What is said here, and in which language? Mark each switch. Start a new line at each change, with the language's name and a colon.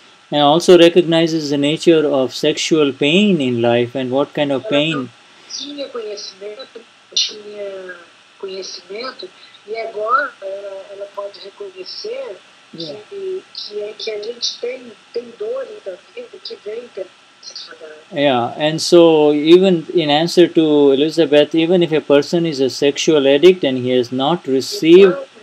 English: And also recognizes the nature of sexual pain in life and what kind of pain.
Portuguese: Tinha conhecimento e agora ela pode reconhecer que a gente tem dores da vida que vem da...
English: Yeah, and so even in answer to Elizabeth, even if a person is a sexual addict and he has not received...